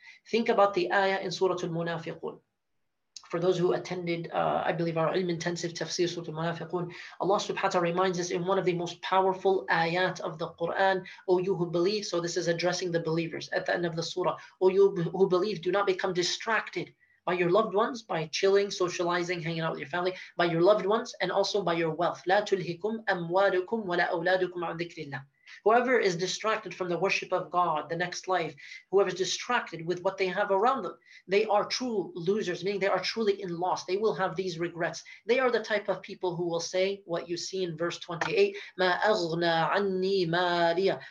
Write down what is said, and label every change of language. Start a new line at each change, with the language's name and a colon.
English: Think about the ayah in Surah Al-Munafiqun. For those who attended, I believe, our ilm intensive tafsir Surah Al-Munafiqun, Allah subhanahu wa ta'ala reminds us in one of the most powerful ayat of the Quran, O you who believe, so this is addressing the believers at the end of the surah, O you who believe, do not become distracted by your loved ones, by chilling, socializing, hanging out with your family, by your loved ones, and also by your wealth.
Arabic: لا تلهكم أموالكم ولا أولادكم عن ذكر الله.
English: Whoever is distracted from the worship of God, the next life, whoever is distracted with what they have around them, they are true losers, meaning they are truly in loss. They will have these regrets. They are the type of people who will say what you see in verse 28,
Arabic: ما أغنى عني مالية.